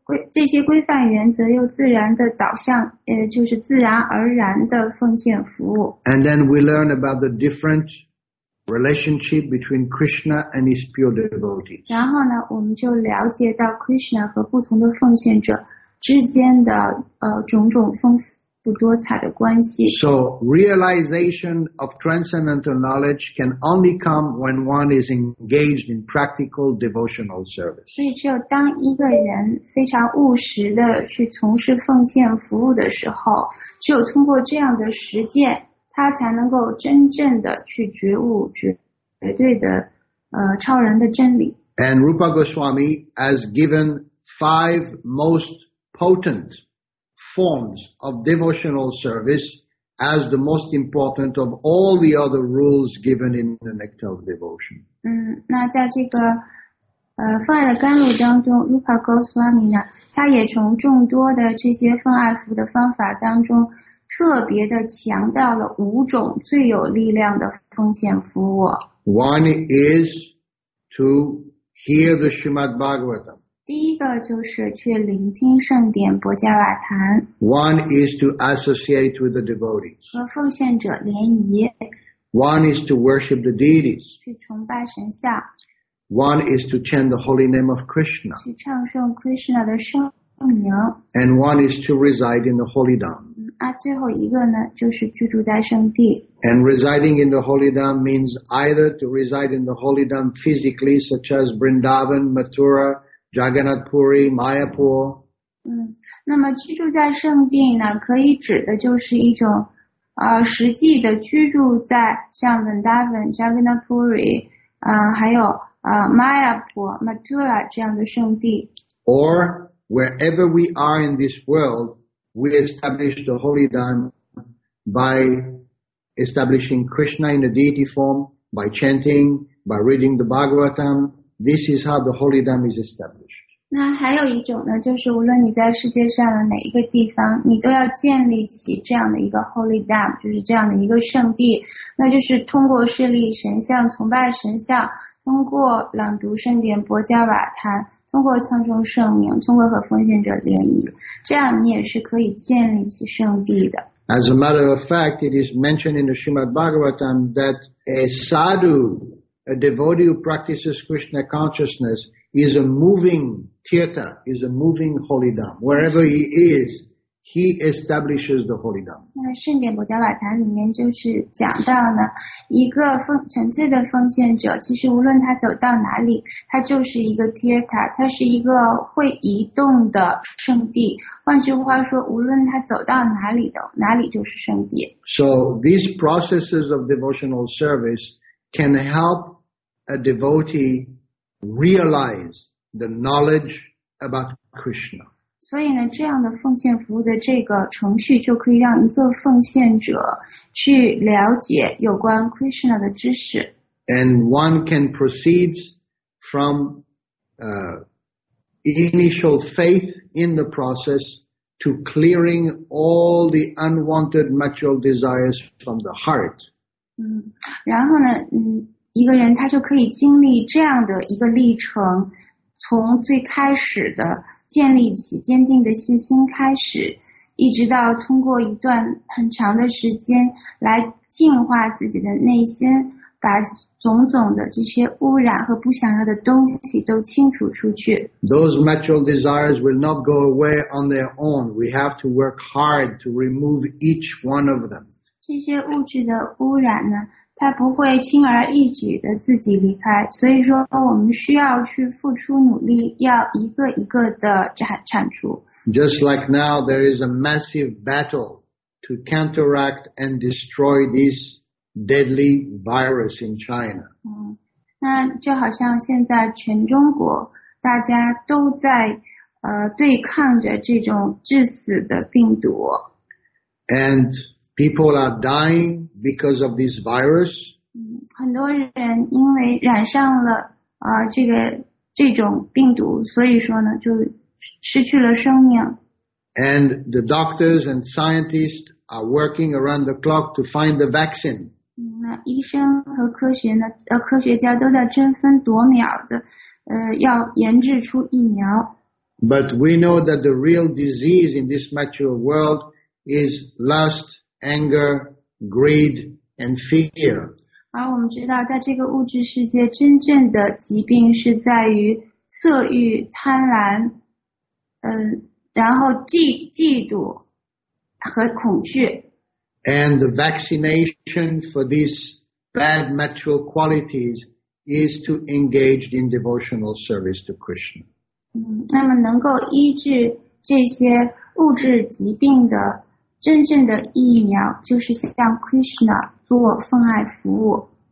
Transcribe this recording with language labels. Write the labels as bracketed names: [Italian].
[Chinese] 这些规范原则又自然的导向，就是自然而然的奉献服务。 [English] And then we learn about the different relationship between Krishna and his pure devotees. [Chinese] 然后呢，我们就了解到 Krishna 和不同的奉献者之间的种种丰富多彩的关系。 [English] So realization of transcendental knowledge can only come when one is engaged in practical devotional service. [Chinese] 所以只有当一个人非常务实的去从事奉献服务的时候，只有通过这样的实践，他才能够真正的去觉悟绝对的超然的真理。 [English] And Rupa Goswami has given five most potent forms of devotional service as the most important of all the other rules given in the Nectar of Devotion. [Chinese] 那在这个奉爱的甘露当中 ，Rupa Goswami 呢，他也从众多的这些奉爱服务的方法当中，特别的强调了五种最有力量的奉献服务。 [English] One is to hear the Srimad Bhagavatam. [Chinese] 第一个就是去聆听圣典博迦瓦坛。 [English] One is to associate with the devotees. [Chinese] 和奉献者联谊。 [English] One is to worship the deities. [Chinese] 去崇拜神像。 [English] One is to chant the holy name of Krishna. [Chinese] 去唱诵 Krishna 的圣名。 [English] And one is to reside in the holy dham. [Chinese] 最后一个呢，就是居住在圣地。 [English] And residing in the holy dham means either to reside in the holy dham physically, such as Vrindavan, Mathura, Jagannath Puri, Mayapur. [Chinese] 那么居住在圣地呢，可以指的就是一种，实际的居住在像 Vrindavan, Jagannath Puri, 还有Mayapur, Mathura 这样的圣地。 [English] Or wherever we are in this world, we establish the holy dham by establishing Krishna in a deity form, by chanting, by reading the Bhagavatam. This is how the holy dham is established. [Chinese] 那还有一种呢，就是无论你在世界上的哪一个地方，你都要建立起这样的一个 [English] holy dham， [Chinese] 就是这样的一个圣地。那就是通过设立神像、崇拜神像，通过朗读圣典博迦瓦坛，通过唱诵圣名，通过和奉献者联谊，这样你也是可以建立起圣地的。 [English] As a matter of fact, it is mentioned in the Srimad Bhagavatam that a sadhu, a devotee who practices Krishna consciousness, is a moving theater, is a moving holy dham. Wherever he is, he establishes the holy dham. [Chinese] 那圣典博迦瓦坛里面就是讲到呢，一个纯粹的奉献者，其实无论他走到哪里，他就是一个 theta， 他是一个会移动的圣地。换句话说，无论他走到哪里的，哪里就是圣地。 [English] So these processes of devotional service can help a devotee realize the knowledge about Krishna. [Chinese] 所以呢，这样的奉献服务的这个程序就可以让一个奉献者去了解有关 Krishna 的知识。 [English] And one can proceed from initial faith in the process to clearing all the unwanted material desires from the heart. [Chinese] 然后呢，一个人他就可以经历这样的一个历程，从最开始的建立起坚定的信心开始，一直到通过一段很长的时间来净化自己的内心，把种种的这些污染和不想要的东西都清除出去。 [English] Those material desires will not go away on their own. We have to work hard to remove each one of them. [Chinese] 这些物质的污染呢，它不会轻而易举的自己离开，所以说我们需要去付出努力，要一个一个的铲除。 [English] Just like now, there is a massive battle to counteract and destroy this deadly virus in China. [Chinese] 那就好像现在全中国大家都在对抗着这种致死的病毒。 [English] And people are dying because of this virus. [Chinese] 很多人因为染上了这种病毒，所以说呢就失去了生命。 [English] And the doctors and scientists are working around the clock to find the vaccine. [Chinese] 那医生和科学呢，科学家都在争分夺秒的，要研制出疫苗。 [English] But we know that the real disease in this material world is lust, anger, greed, and fear. [Chinese] 而我们知道，在这个物质世界，真正的疾病是在于色欲、贪婪，然后嫉妒和恐惧。 [English] And the vaccination for these bad material qualities is to engage in devotional service to Krishna. [Chinese] 那么能够医治这些物质疾病的真正的疫苗，就是向 Krishna 做奉爱服务。